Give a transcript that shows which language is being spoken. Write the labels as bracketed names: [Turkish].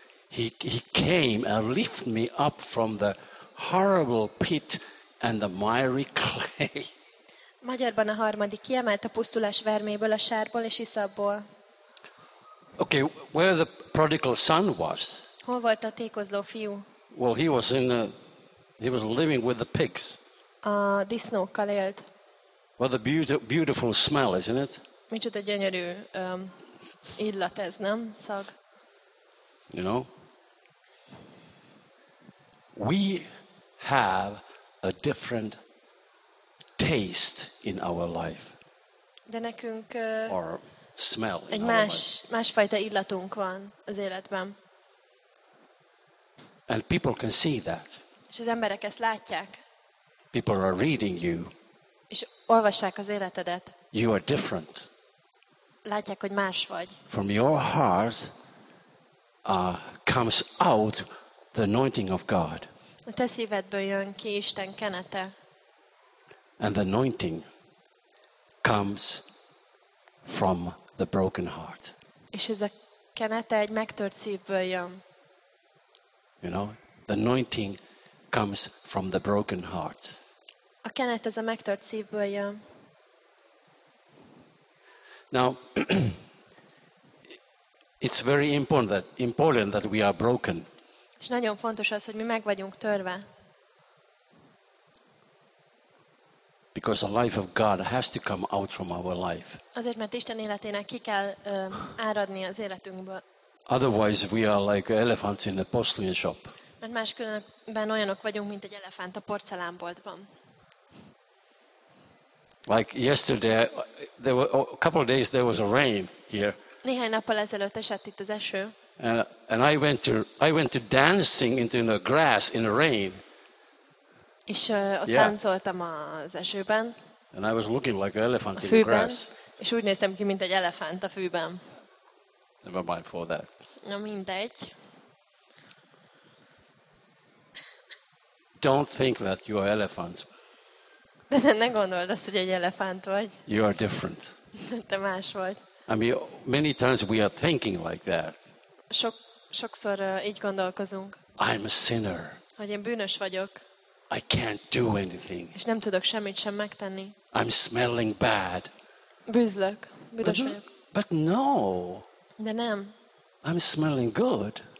[English] He came and lifted me up from the horrible pit and the miry clay. [Hungarian] Magyarban a harmadik kiemelt a pusztulás verméből, a sárból és iszabból. [English] Okay, where the prodigal son was? [Hungarian] Hol volt a tékozló fiú? [English] Well, he was living with the pigs. [Hungarian] A disznókkal élt. [English] What a beautiful smell, isn't it? [Hungarian] Micsoda gyönyörű illat ez, nem? Szag. [English] You know? We have a different taste in our life. [Hungarian] De nekünk [English] or smell [Hungarian] egy másfajta illatunk van az életben. [English] And people can see that. [Hungarian] És az emberek ezt látják. [English] People are reading you. [Hungarian] És olvassák az életedet. [English] You are different. [Hungarian] Látják, hogy más vagy. [English] From your heart comes out the anointing of God. [Hungarian] A te szívedből jön ki Isten kenete. [English] And the anointing comes from the broken heart. [Hungarian] És ez a kenete egy megtört szívből jön. [English] You know, the anointing comes from the broken hearts. [Hungarian] A kenet ez a megtört szívből jön. [English] Now, it's very important that we are broken. [Hungarian] És nagyon fontos az, hogy mi meg vagyunk törve. [English] Because the life of God has to come out from our life. [Hungarian] Azért, mert Isten életének ki kell áradni az életünkből. [English] Otherwise we are like elephants in a porcelain shop. [Hungarian] Mert máskülönben olyanok vagyunk, mint egy elefánt a porcelánboltban. [English] Like yesterday, there were a couple of days there was a rain here. [Hungarian] Néhány nappal ezelőtt esett itt az eső. [English] And I went to dancing into the grass in the rain. [Hungarian] És ott táncoltam az esőben. [English] And I was looking like an elephant in the grass. [Hungarian] És úgy néztem ki, mint egy elefánt a fűben. [English] Never mind for that. [Hungarian] Na mindegy. [English] Don't think that you are elephants. [Hungarian] De ne gondold azt, hogy egy elefánt vagy. [English] You are different. [Hungarian] Te más vagy. [English] I mean, many times we are thinking like that. [Hungarian] Sokszor így gondolkozunk. [English] I'm a sinner. [Hungarian] Hogy én bűnös vagyok. [English] I can't do anything. [Hungarian] És nem tudok semmit sem megtenni. [English] I'm smelling bad. [Hungarian] Bűzlök. Büdös vagyok. [English] But no. [Hungarian] De nem. [English] I'm smelling good.